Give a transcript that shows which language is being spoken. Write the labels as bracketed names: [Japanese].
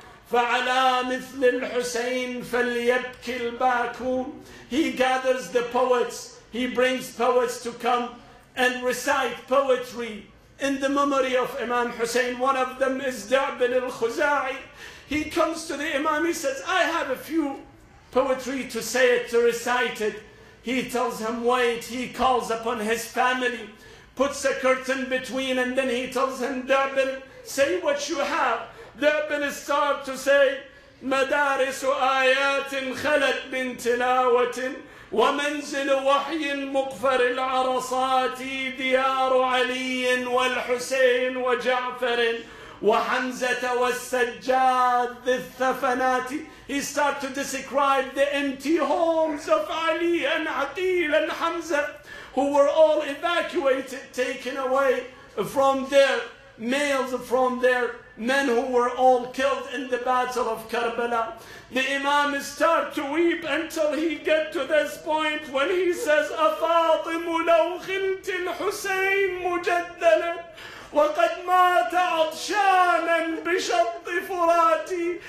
[Arabic] فعلى مثل الحسين فليبكي الباكون. [English] He gathers the poets, he brings poets to come and recite poetry in the memory of Imam Hussein. One of them is Da'bin al-Khuza'i. He comes to the Imam, he says, I have a few poetry to say it, to recite it. He tells him, wait. He calls upon his family, puts a curtain between, and then he tells him, Da'bin, say what you have. Da'bin starts to say, [Arabic] مدارس آيات خلت من تلاوة ومنزل وحي مقفر العرصات ديار علي والحسين وجعفر وحمزة والسجاد ذي الثفنات. [English] He starts to describe the empty homes of Ali and Aqil and Hamza, who were all evacuated, taken away from their males, from their men who were all killed in the battle of Karbala. The Imam starts to weep until he gets to this point when he says, [Arabic] أفاطم لو خلت الحسين مجدلا وقد مات عطشانا بشط فراتي.